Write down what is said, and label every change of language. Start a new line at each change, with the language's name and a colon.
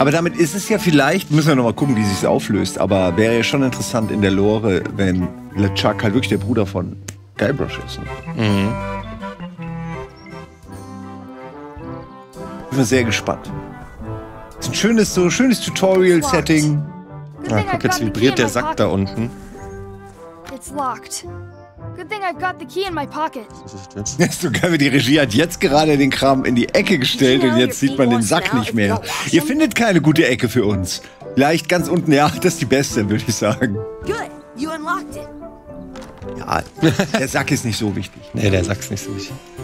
German: Aber damit ist es ja vielleicht, müssen wir nochmal gucken, wie sich's auflöst, aber wäre ja schon interessant in der Lore, wenn LeChuck halt wirklich der Bruder von Guybrush ist. Ne? Mhm. Ich bin sehr gespannt. Ist ein schönes, so schönes Tutorial-Setting. Ja, guck, jetzt vibriert der Sack da unten.
English: It's locked. Good thing I've got the key in my pocket.
German: Das ist so geil, wie die Regie hat jetzt gerade den Kram in die Ecke gestellt und jetzt sieht man den Sack nicht mehr. Ihr findet keine gute Ecke für uns. Leicht ganz unten, ja, das ist die beste, würde ich sagen.
English: Good, you unlocked it.
German: Ja, der Sack ist nicht so wichtig. Nee, der Sack ist nicht so wichtig.